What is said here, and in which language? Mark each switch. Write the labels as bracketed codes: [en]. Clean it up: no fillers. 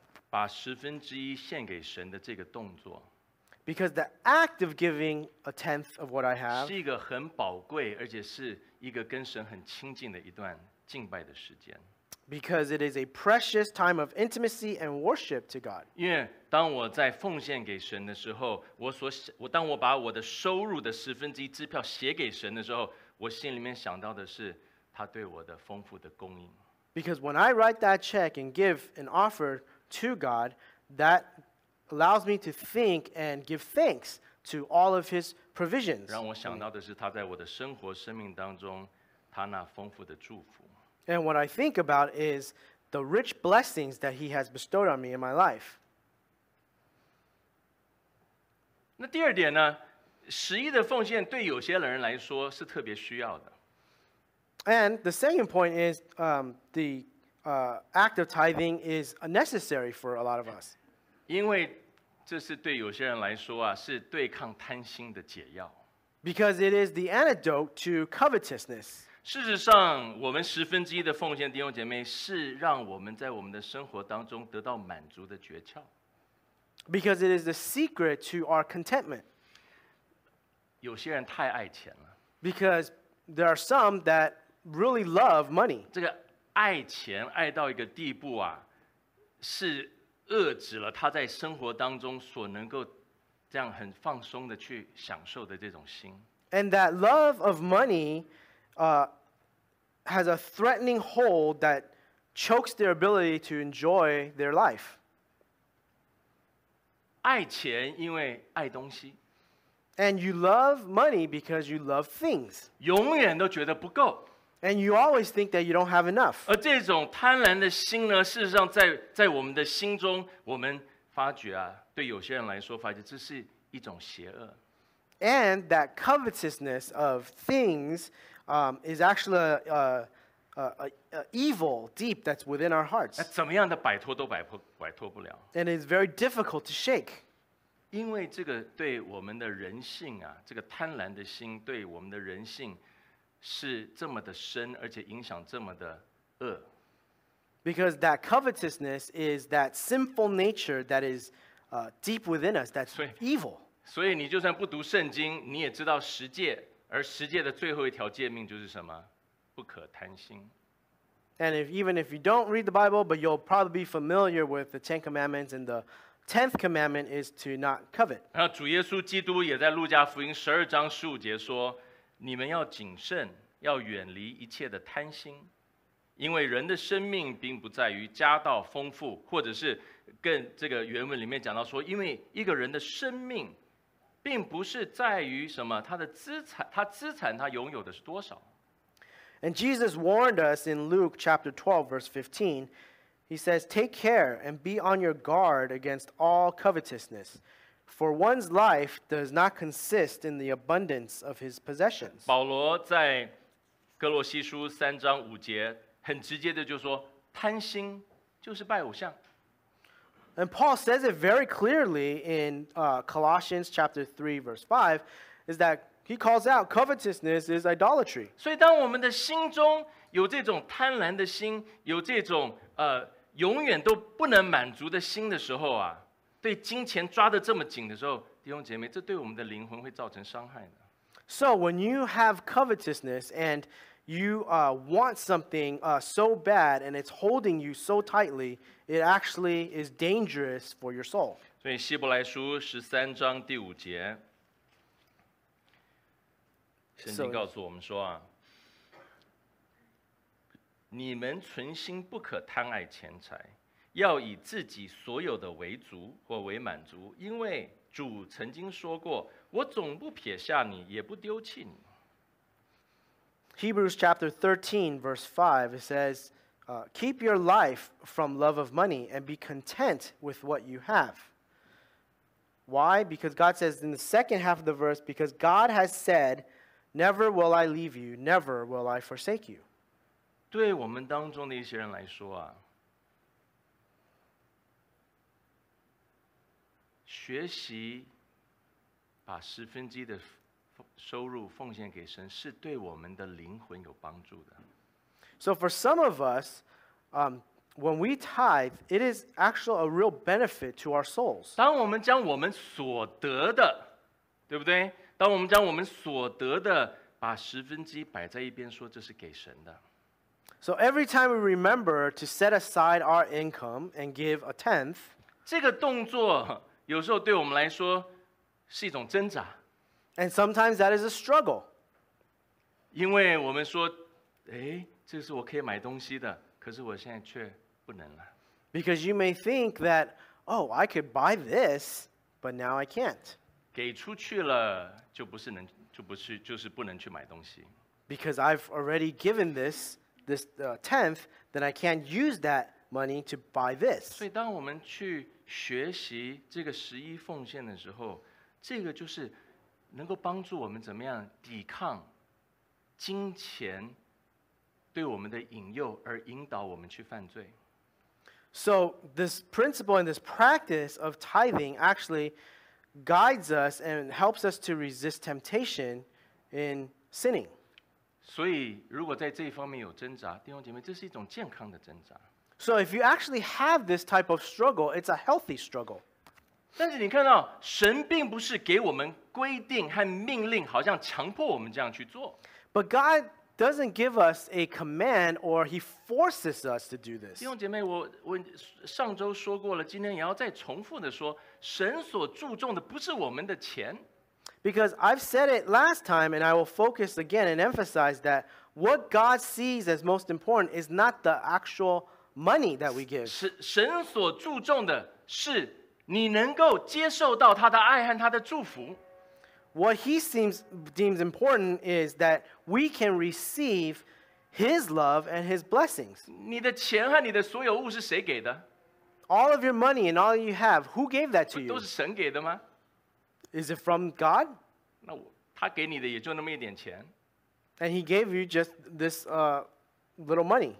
[zh] 把十分之一献给神的这个动作， [en] because the act of giving a tenth of what I have [zh] 是一个很宝贵，而且是一个跟神很亲近的一段敬拜的时间。 [en] Because it is a precious time of intimacy and worship to God. [zh] 因为当我在奉献给神的时候，当我把我的收入的十分之一支票写给神的时候，我心里面想到的是他对我的丰富的供应。 [en] Because when I write that check and give an offer to God, that allows me to think and give thanks to all of his provisions. [zh] 让我想到的是他在我的生活生命当中他那丰富的祝福。 [en] And what I think about is the rich blessings that he has bestowed on me in my life. [zh] 那第二点呢，十一的奉献对有些人来说是特别需要的。 [en] And the second point is act of tithing is necessary for a lot of us. [zh] 因为这是对有些人来说啊，是对抗贪心的解药。 [en] Because it is the antidote to covetousness. [zh] 事实上，我们十分之一的奉献，弟兄姐妹，是让我们在我们的生活当中得到满足的诀窍。 [en] Because it is the secret to our contentment. [zh] 有些人太爱钱了。 [en] Because there are some that really love money. [zh] 这个爱钱爱到一个地步啊，是遏制了他在生活当中所能够这样很放松的去享受的这种心。 [en] And that love of money, has a threatening hold that chokes their ability to enjoy their life. [zh] 爱钱因为爱东西。 [en] And you love money because you love things. [zh] 永远都觉得不够。 [en] And you always think that you don't have enough. [zh] 而这种贪婪的心呢，事实上在我们的心中，我们发觉啊，对有些人来说，发觉这是一种邪恶。 [en] And that covetousness of things, is actually a evil deep that's within our hearts. [zh] 怎么样的摆脱都摆脱不了。 [en] And it's very difficult to shake. [zh] 因为这个对我们的人性啊，这个贪婪的心对我们的人性，是这么的深，而且影响这么的恶。 [en] Because that covetousness is that sinful nature that is deep within us, that's evil. [zh] 所以你就算不读圣经，你也知道十诫，而十诫的最后一条诫命就是什么？不可贪心。 [en] And even if you don't read the Bible, but you'll probably be familiar with the Ten Commandments, and the tenth commandment is to not covet. [zh] 然后主耶稣基督也在路加福音十二章十五节说，你们要谨慎，要远离一切的贪心，因为人的生命并不在于家道丰富，或者是跟这个原文里面讲到说，因为一个人的生命并不是在于什么，他资产他拥有的是多少。 [en] And Jesus warned us in Luke chapter 12 verse 15, he says, take care and be on your guard against all covetousness. For one's life does not consist in the abundance of his possessions. [zh] 保罗在哥罗西书三章五节很直接的就说，贪心就是拜偶像。 [en] And Paul says it very clearly in Colossians chapter 3 verse 5, is that He calls out covetousness is idolatry. [zh] 所以当我们的心中有这种贪婪的心，有这种永远都不能满足的心的时候啊，对金钱抓得这么紧的时候，弟兄姐妹，这对我们的灵魂会造成伤害的。 [en] So when you have covetousness and you want something so bad and it's holding you so tightly, it actually is dangerous for your soul. [zh] 所以希伯来书十三章第五节，圣经告诉我们说啊，你们存心不可贪爱钱财，要以自己所有的为足或为满足，因为主曾经说过，我总不撇下你，也不丢弃你。 [en] Hebrews chapter 13 verse 5 it says, keep your life from love of money and be content with what you have. Why? Because God says in the second half of the verse, because God has said, never will I leave you, never will I forsake you. [zh] 对我们当中的一些人来说啊，学习把十分之一的收入奉献给神，是对我们的灵魂有帮助的。 [en] So for some of us, when we tithe, it is actually a real benefit to our souls. [zh] 当我们将我们所得的，对不对？当我们将我们所得的把十分之一摆在一边，说这是给神的。 [en] So every time we remember to set aside our income and give a tenth, [zh] 这个动作有时候对我们来说是一种挣扎。 [en] And sometimes that is a struggle. [zh] 因为我们说，哎，这是我可以买东西的，可是我现在却不能了。 [en] Because you may think that, oh, I could buy this, but now I can't. [zh] 给出去了，就不是能，就是不能去买东西。 [en] Because I've already given this, tenth, then I can't use that money to buy this. [zh] 所以当我们去学习这个十一奉献的时候，这个就是能够帮助我们怎么样抵抗金钱对我们的引诱，而引导我们去犯罪。 [en] So this principle and this practice of tithing actually guides us and helps us to resist temptation in sinning. [zh] 所以如果在这一方面有挣扎，弟兄姐妹，这是一种健康的挣扎。 [en] So if you actually have this type of struggle, it's a healthy struggle. [zh] 但是你看到神并不是给我们规定和命令，好像强迫我们这样去做。 [en] But God doesn't give us a command or he forces us to do this. [zh] 弟兄姐妹，我上周说过了，今天也要再重复的说，神所注重的不是我们的钱。 [en] Because I've said it last time and I will focus again and emphasize that what God sees as most important is not the actual money that we give. [zh] 神所注重的是你能够接受到他的爱和他的祝福。 [en] What he deems important is that we can receive his love and his blessings. [zh] 你的钱和你的所有物是谁给的？ [en] All of your money and all you have, who gave that to you? [zh] 都是神给的吗？ [en] Is it from God? [zh] 那他给你的也就那么一点钱。 [en] And he gave you just this little money.